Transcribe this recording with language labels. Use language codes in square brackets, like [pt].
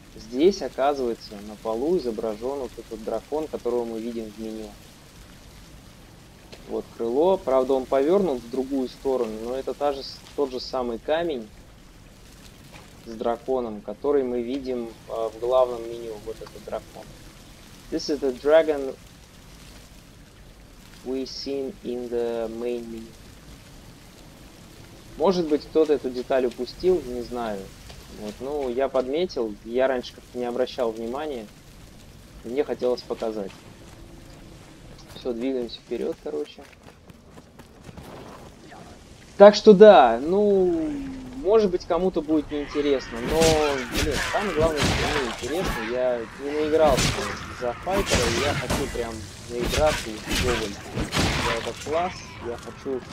[ru] Здесь, оказывается, на полу изображен вот этот дракон, которого мы видим в меню. Вот крыло. Правда, он повернут в другую сторону, но это тот же самый камень с драконом, который мы видим в главном меню. Вот этот дракон. [en] This is the dragon we seen in the main menu. [ru] Может быть, кто-то эту деталь упустил, не знаю. Вот, ну, я подметил, я раньше как-то не обращал внимания, мне хотелось показать. Все, двигаемся вперед, короче. Так что да, ну, может быть, кому-то будет неинтересно, но, блин, самое главное, что мне интересно, я не наигрался за файтера, я хочу прям наиграться и сделать этот класс. Я хочу...